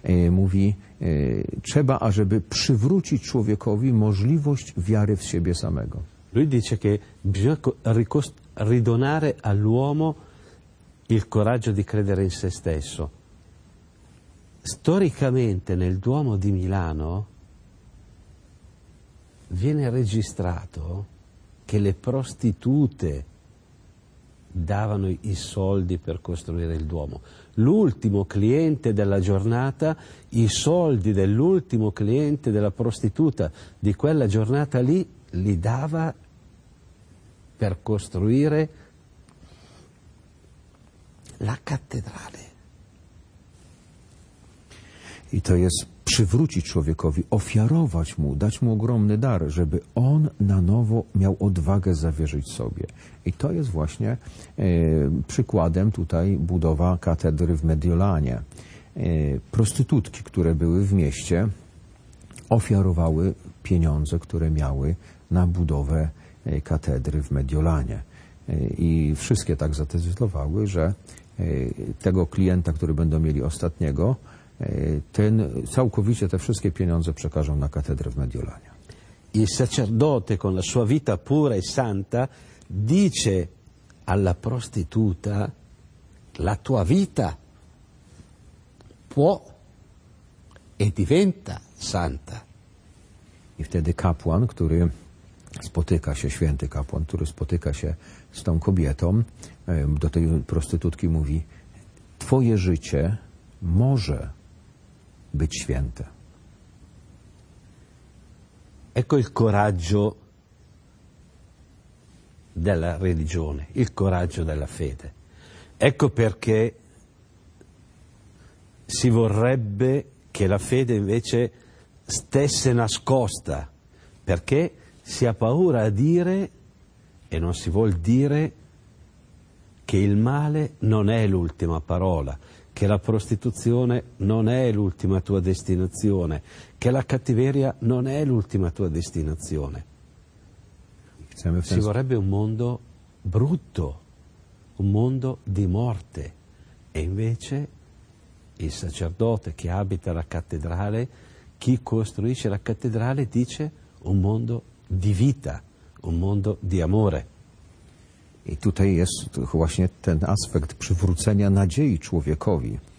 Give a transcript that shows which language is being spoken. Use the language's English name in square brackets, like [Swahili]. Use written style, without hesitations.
[Polish] Mówi, trzeba, ażeby przywrócić człowiekowi możliwość wiary w siebie samego. [Italian] Lui dice che bisogna ridonare all'uomo il coraggio di credere in se stesso. Storicamente nel Duomo di Milano viene registrato che le prostitute davano i soldi per costruire il Duomo. L'ultimo cliente della giornata, i soldi dell'ultimo cliente della prostituta di quella giornata lì, li dava per costruire la cattedrale. [Polish] I to jest przywrócić człowiekowi, ofiarować mu, dać mu ogromny dar, żeby on na nowo miał odwagę zawierzyć sobie. I to jest właśnie przykładem tutaj budowa katedry w Mediolanie. Prostytutki, które były w mieście, ofiarowały pieniądze, które miały na budowę katedry w Mediolanie. I wszystkie tak zadecydowały, że tego klienta, który będą mieli ostatniego, ten całkowicie te wszystkie pieniądze przekażą na katedrę w Mediolanie. [Italian] Il sacerdote con la sua vita pura e santa dice alla prostituta: la tua vita può e diventa santa. [Polish] I wtedy kapłan, który spotyka się, święty kapłan, który spotyka się z tą kobietą, do tej prostytutki mówi: twoje życie może być święte. [Italian] Ecco il coraggio della religione, il coraggio della fede. Ecco perché si vorrebbe che la fede invece stesse nascosta, perché si ha paura a dire, e non si vuol dire, che il male non è l'ultima parola, che la prostituzione non è l'ultima tua destinazione, che la cattiveria non è l'ultima tua destinazione. Si vorrebbe un mondo brutto, un mondo di morte, e invece il sacerdote che abita la cattedrale, chi costruisce la cattedrale, dice un mondo di vita, un mondo di amore. [Polish] I tutaj jest właśnie ten aspekt przywrócenia nadziei człowiekowi.